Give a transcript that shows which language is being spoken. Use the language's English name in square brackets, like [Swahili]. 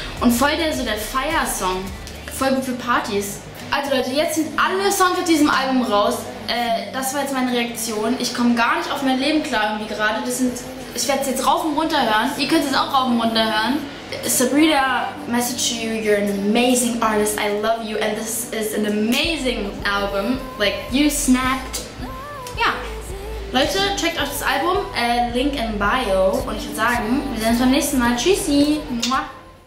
[German] Und voll der so der Fire-Song, voll gut für Partys. Also Leute, jetzt sind alle Songs aus diesem Album raus. Das war jetzt meine Reaktion. Ich komme gar nicht auf mein Leben klar irgendwie gerade. Ich werde es jetzt rauf und runter hören. Ihr könnt es auch rauf und runter hören. [English] Sabrina, message you, you're an amazing artist. I love you and this is an amazing album. Like, you snapped. Ja. [German] Leute, checkt euch das Album. Link in Bio. Und ich würde sagen, wir sehen uns beim nächsten Mal. Tschüssi. Muah.